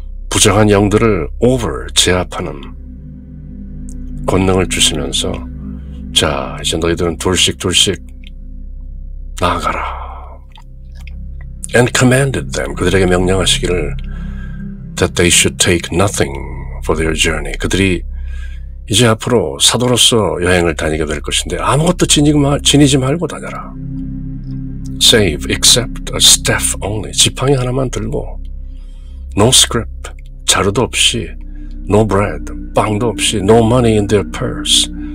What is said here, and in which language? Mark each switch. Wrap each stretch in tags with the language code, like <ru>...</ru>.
<ko>부정한 영들을 over, 제압하는 권능을 주시면서 자, 이제 너희들은 둘씩 둘씩 나아가라.</ko> <en>And commanded them,</en> <ko>그들에게 명령하시기를</ko> <en>that they should take nothing for their journey.</en> <ko>그들이 이제 앞으로 사도로서 여행을 다니게 될 것인데 아무것도 지니지 말고 다녀라.</ko> <en>Save except a staff only.</en> <ko>지팡이 하나만 들고</ko> <en>No scrip,</en> <ko>자루도 없이</ko> <en>No bread,</en> <ko>빵도 없이</ko> <en>No money in their purse.</en>